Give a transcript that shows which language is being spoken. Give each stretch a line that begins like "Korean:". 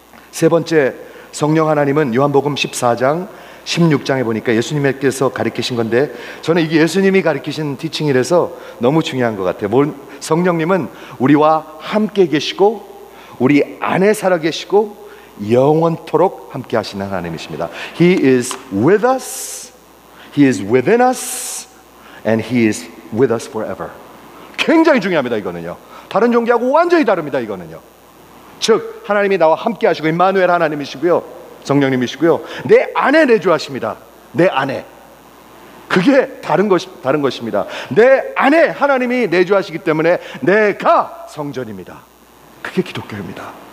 Korean: 세 번째, 성령 하나님은 요한복음 14장 16장에 보니까 예수님께서 가르치신 건데 저는 이게 예수님이 가르치신 티칭이라서 너무 중요한 것 같아요. 성령님은 우리와 함께 계시고 우리 안에 살아계시고 영원토록 함께 하시는 하나님이십니다.
English: He is with us, He is within us, and He is with us forever.
Korean: 굉장히 중요합니다, 이거는요. 다른 종교하고 완전히 다릅니다, 이거는요. 즉 하나님이 나와 함께 하시고 임마누엘 하나님이시고요, 성령님이시고요, 내 안에 내주하십니다. 내 안에. 그게 다른 것입니다. 내 안에 하나님이 내주하시기 때문에 내가 성전입니다. 그게 기독교입니다.